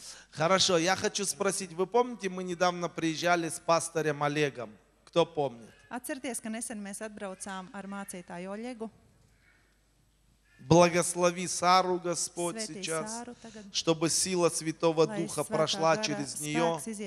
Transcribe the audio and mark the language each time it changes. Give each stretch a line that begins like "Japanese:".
Russian: Хорошо, я хочу спросить, вы помните, мы недавно приезжали с пастором Олегом? Кто помнит?
Latvian: Atcerieties, ka nesen mēs atbraucām ar mācītāju Олегу.
Russian: Благослови Сару, Господь, сейчас, чтобы сила Святого Духа прошла через нее.